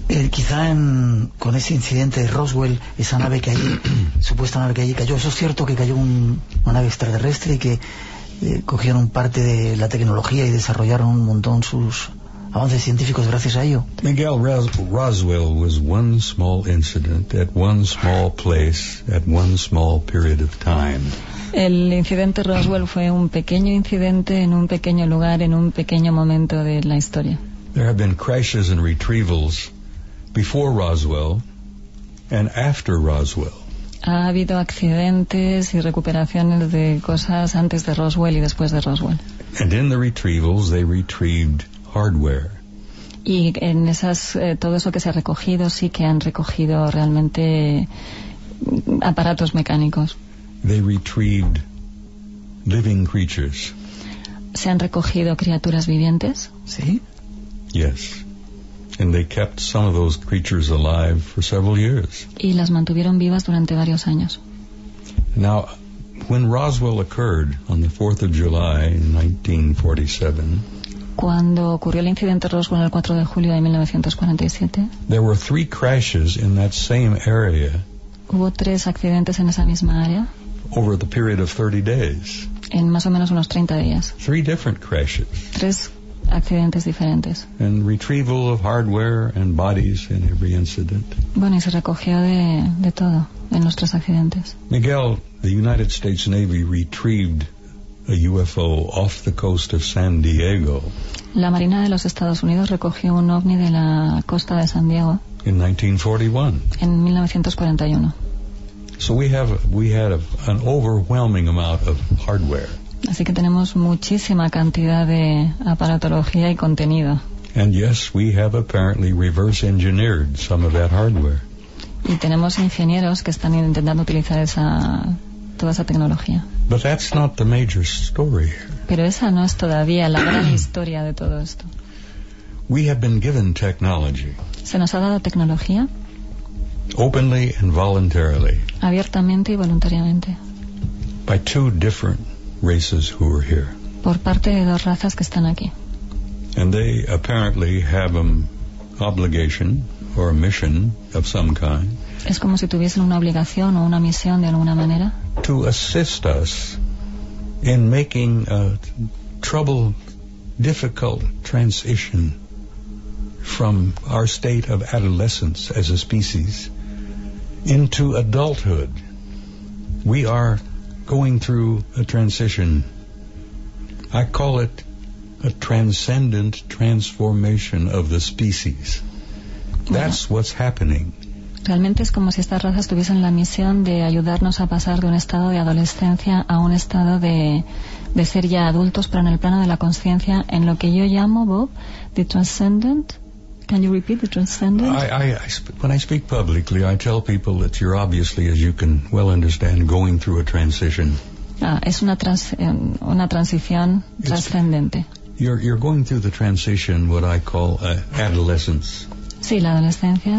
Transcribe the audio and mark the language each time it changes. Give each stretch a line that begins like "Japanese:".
Spanish: Quizá con ese incidente de Roswell, esa nave que allí, supuesta nave que allí cayó, ¿eso es cierto que cayó una nave extraterrestre y que cogieron parte de la tecnología y desarrollaron un montón sus avances científicos gracias a ello?
English: Miguel, Roswell was one small incident at one small place at one small period of time.
Spanish: El incidente Roswell fue un pequeño incidente en un pequeño lugar, en un pequeño momento de la historia.
English: There have been crashes and retrievals before Roswell and after Roswell.
Spanish: Ha habido accidentes y recuperaciones de cosas antes de Roswell y después de Roswell.
English: And in the retrievals, they retrieved hardware.
Spanish: Y en esas todo eso que se ha recogido, sí que han recogido realmente aparatos mecánicos.
English: They retrieved living creatures.
Spanish: Se han recogido criaturas vivientes. Sí.
English: Yes. And they kept some of those creatures alive for several years.
Spanish: Y las mantuvieron vivas durante varios años.
English: Now, when Roswell occurred on the 4th of July in 1947,
Spanish: cuando ocurrió el incidente Roswell el 4 de julio de 1947.
English: There were three crashes in that same area.
Spanish: Hubo tres accidentes en esa misma área.
English: Over the period of 30 days.
Spanish: En más o menos unos 30 días.
English: Three different crashes.
Spanish: Tres accidentes diferentes.
English: And retrieval of hardware and bodies in every incident.
Spanish: Bueno, y se recogió de todo en los tres accidentes.
English: Miguel, the United States Navy retrieved a UFO off the coast of San Diego.
Spanish: La Marina de los Estados Unidos recogió un ovni de la costa de San Diego.
English: In 1941.
Spanish: En 1941.
English: So we had an overwhelming amount of hardware.
Spanish: Así que tenemos muchísima cantidad de aparatología y contenido.
English: And yes, we have apparently reverse engineered some of that hardware.
Spanish: Y tenemos ingenieros que están intentando utilizar toda esa tecnología.
English: But that's not the major story.
Spanish: Pero esa no es todavía la gran historia de todo esto.
English: We have been given technology.
Spanish: Se nos ha dado tecnología.
English: Openly and voluntarily.
Spanish: Abiertamente y voluntariamente.
English: By two different races who are here.
Spanish: Por parte de dos razas que están aquí.
English: And they apparently have an obligation or a mission of some kind.
Spanish: Es como si tuviesen una obligación o una misión de alguna manera.
English: To assist us in making a troubled, difficult transition from our state of adolescence as a species into adulthood. We are going through a transition. I call it a transcendent transformation of the species. That's what's happening.
Spanish: Realmente es como si estas razas tuviesen la misión de ayudarnos a pasar de un estado de adolescencia a un estado de ser ya adultos, pero en el plano de la conciencia, en lo que yo llamo, Bob,
English: the transcendent. Can you repeat the transcendent? When I speak publicly, I tell people that you're obviously, as you can well understand, going through a transition.
Spanish: Ah, es una transición trascendente.
English: You're going through the transition, what I call adolescence.
Spanish: Sí, la adolescencia.